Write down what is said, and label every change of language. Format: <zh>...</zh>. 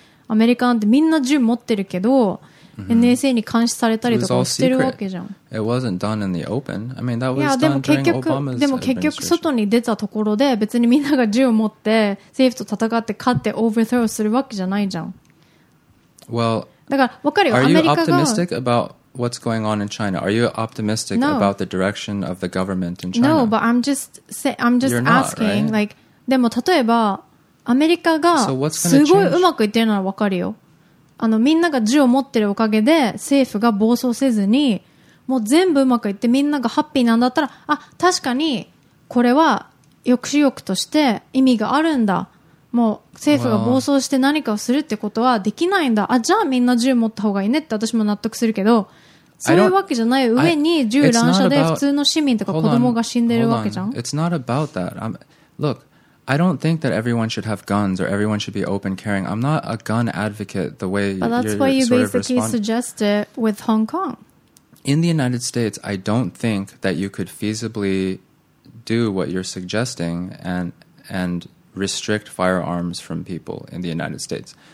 <ja>アメリカってみんな銃持ってるけど。 Mm-hmm. NSA に監視されたりとかしてるわけじゃん。</ja> <en>It wasn't done in the open. I mean, that was done during Obama's administration.</en> <ja>でも結局外に出たところで別にみんなが銃を持って政府と戦って勝って overthrow するわけじゃないじゃん。</ja> <en>Well,</en> <ja>だから分かるよ。</ja> <en>Are you optimistic about what's going on in China? Are you optimistic about the direction of the government in China? No, but I'm just asking. Like,</en> <ja>でも例えばアメリカがすごいうまくいってるなら分かるよ。みんなが銃を持ってるおかげで政府が暴走せずにもう全部うまくいってみんながハッピーなんだったらあ確かにこれは抑止力として意味があるんだもう政府が暴走して何かをするってことはできないんだ、</ja> <en>well,</en> <ja>あじゃあみんな銃持った方がいいねって私も納得するけどそういうわけじゃない上に銃乱射で普通の市民とか子供が死んでるわけじゃん</ja> <en>It's not about that、Look. I don't think that everyone should have guns or everyone should be open carrying. I'm not a gun advocate the way you're sort of responding. But that's why you basically suggest it with Hong Kong. In the United States, I don't think that you could feasibly do what you're suggesting and restrict firearms from people in the United States.</en>